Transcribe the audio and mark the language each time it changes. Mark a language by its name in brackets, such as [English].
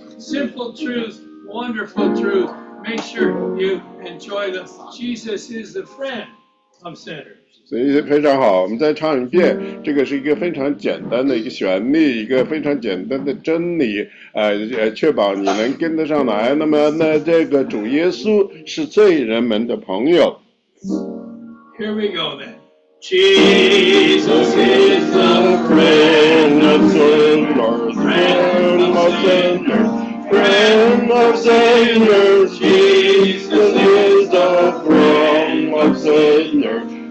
[English] Simple truth, wonderful truth, make sure you enjoy them. Jesus is the friend of sinners. [Chinese] 所以非常好，我们再唱一遍。这个是一个非常简单的一个旋律，一个非常简单的真理，确保你能跟得上来。那么，这个主耶稣是罪人们的朋友。 [English] Here we go then. Jesus is the friend of sinners, friend of sinners, Jesus is the friend of sinners.